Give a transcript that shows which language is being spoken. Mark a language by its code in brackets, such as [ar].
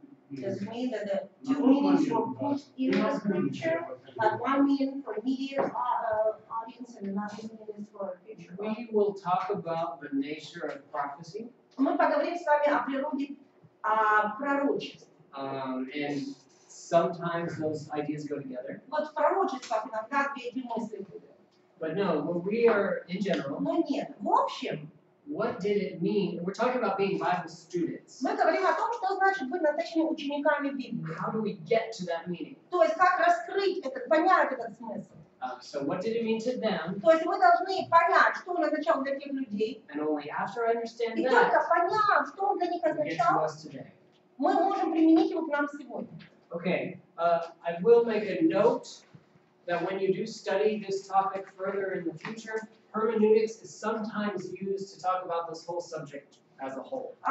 [en] Does mean that the two meanings were put in the scripture, but one meaning for immediate audience and another meaning for future. We will talk about the nature of prophecy. [ru] Мы поговорим с вами о природе пророчества. [en] And sometimes those ideas go together. [ru] Вот в пророчествах иногда две эти мысли будут. [en] But no, well, we are in general. [ru] Но нет, в общем. [en] What did it mean? We're talking about being Bible students. [ru] Мы говорим о том, что значит быть настоящими учениками Библии. [en] How do we get to that meaning? [ru] То есть как раскрыть этот, понять этот смысл? [en] So what did it mean to them? [ru] То есть мы должны понять, что он означал для тех людей. [en] And only after I understand [ru] и [en] that. [ru] И только поняв, что он для них означал. [en] Get to us today. [ru] Мы можем применить его к нам сегодня. [en] Okay, I will make a note that when you do study this topic further in the future, hermeneutics is sometimes used to talk about this whole subject as a whole.